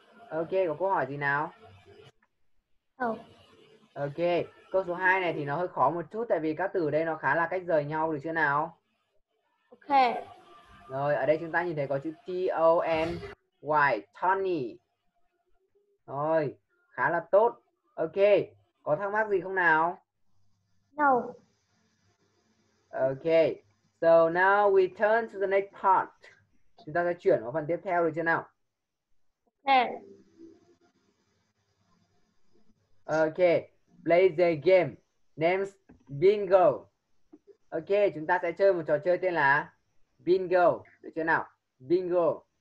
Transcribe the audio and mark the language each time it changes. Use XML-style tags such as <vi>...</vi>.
<vi>Ok, có câu hỏi gì nào? Ok. Câu số 2 này thì nó hơi khó một chút tại vì các từ ở đây nó khá là cách rời nhau được chưa nào?</vi> <en>Ok.</en> <vi>Rồi, ở đây chúng ta nhìn thấy có chữ T-O-N-Y, Tony. Rồi, khá là tốt. Ok, có thắc mắc gì không nào?</vi> <en>No. Ok, so now we turn to the next part.</en> <vi>Chúng ta sẽ chuyển vào phần tiếp theo được chưa nào?</vi> <en>Ok. Ok. Play the game. Name's Bingo.</en> <vi>Ok, chúng ta sẽ chơi một trò chơi tên là Bingo. Được chưa nào? Bingo.</vi>